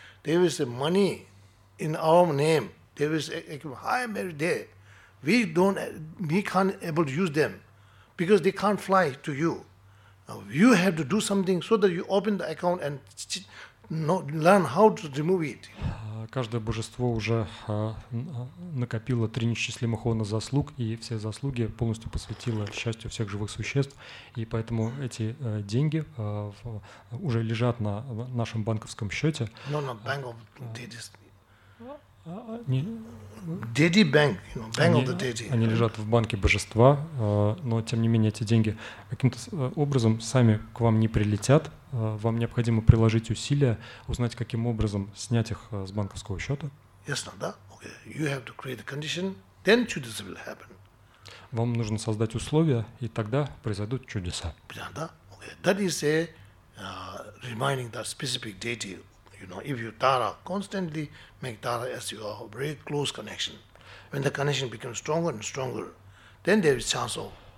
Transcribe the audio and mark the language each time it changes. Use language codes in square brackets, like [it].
[en] There is money in our name. There is high merit there. We can't able to use them because they can't fly to you. Now you have to do something so that you open the account and learn how to remove it. [ru] Каждое божество уже накопило три несчислимых хона заслуг, и все заслуги полностью посвятило счастью всех живых существ. И поэтому эти деньги уже лежат на нашем банковском счете. [en] No, bank of deities. Deity bank, bank of the deity. [ru] Они лежат в банке божества, но тем не менее эти деньги каким-то образом сами к вам не прилетят. Вам необходимо приложить усилия, узнать, каким образом снять их с банковского счета. [en] Yes, no, да? Okay. You have to create a condition, then чудеса will happen. [ru] Вам нужно создать условия, и тогда произойдут чудеса. [en] Yeah, да? Okay. That is a reminding that specific deity. You know, if you Tara, constantly make Tara as your very close connection. When the connection becomes stronger and stronger, then there is chance of